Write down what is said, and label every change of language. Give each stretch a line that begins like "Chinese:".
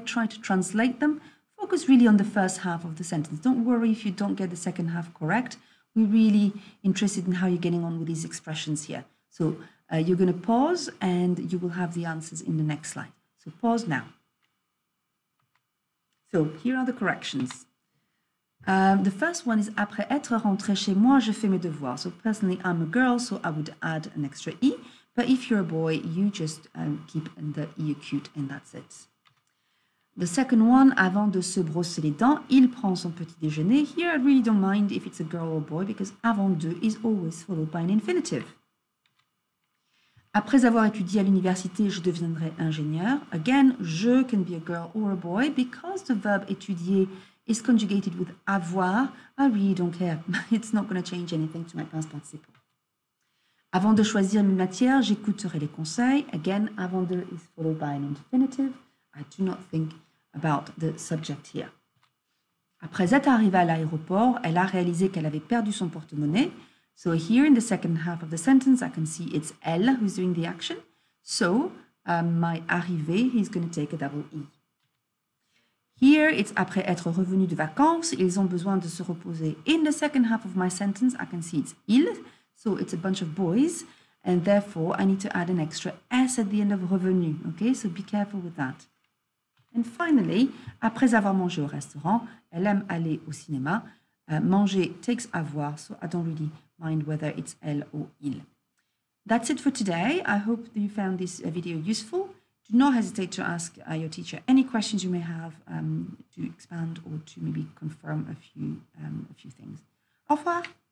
English: Try to translate them. Focus really on the first half of the sentence. Don't worry if you don't get the second half correct. We're really interested in how you're getting on with these expressions here. So you're going to pause and you will have the answers in the next slide. So pause now. So here are the corrections. The first one is
French: après être rentré chez moi, je fais mes devoirs.
English: So personally, I'm a girl, so I would add an extra E. But if you're a boy, you just keep the E acute and that's it. The second one,
French: avant de se brosser les dents, il prend son petit déjeuner.
English: Here, I really don't mind if it's a girl or a boy because avant de is always followed by an infinitive.
French: Après avoir étudié à l'université, je deviendrai ingénieur.
English: Again, je can be a girl or a boy. Because the verb étudier is conjugated with avoir, I really don't care. It's not going to change anything to my past participle.
French: Avant de choisir mes matières, j'écouterai les conseils.
English: Again, avant de is followed by an infinitive. I do not think about the subject here.
French: Après être arrivée à l'aéroport, elle a réalisé qu'elle avait perdu son porte-monnaie.
English: So here in the second half of the sentence, I can see it's elle who's doing the action. So my arrivée, he's going to take a double E. Here, it's
French: après être revenu de vacances, ils ont besoin de se reposer.
English: In the second half of my sentence, I can see it's ils, so it's a bunch of boys, and therefore I need to add an extra S at the end of revenu, okay? So be careful with that. And finally,
French: après avoir mangé au restaurant, elle aime aller au cinéma.
English: Manger takes avoir, so I don't really mind whether it's elle or il. That's it for today. I hope that you found this video useful. Do not hesitate to ask your teacher any questions you may have to expand or to maybe confirm a few things.
French: Au revoir.